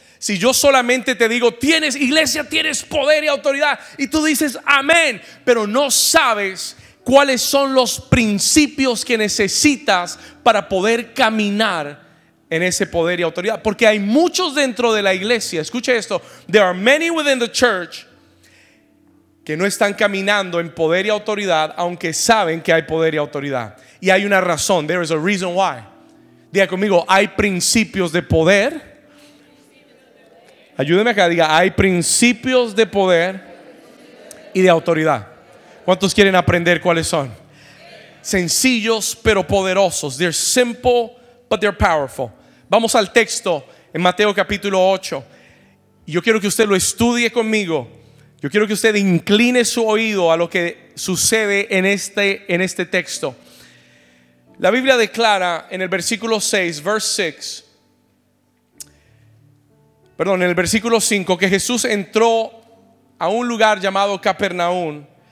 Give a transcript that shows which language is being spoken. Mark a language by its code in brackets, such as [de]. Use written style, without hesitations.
[es] Si yo solamente te digo, tienes iglesia, tienes poder y autoridad, y tú dices amén, pero no sabes cuáles son los principios que necesitas para poder caminar en ese poder y autoridad. Porque hay muchos dentro de la iglesia, escucha esto, [en] there are many within the church [es] que no están caminando en poder y autoridad, aunque saben que hay poder y autoridad. Y hay una razón, [en] there is a reason why. [es] Diga conmigo, hay principios de poder. Ayúdeme acá, diga, hay principios de poder y de autoridad. ¿Cuántos quieren aprender cuáles son? Sencillos pero poderosos. [en] They're simple but they're powerful. [es] Vamos al texto en Mateo capítulo 8. Yo quiero que usted lo estudie conmigo. Yo quiero que usted incline su oído a lo que sucede en este texto. La Biblia declara en el versículo 6, en el versículo 5, que Jesús entró a un lugar llamado Capernaum.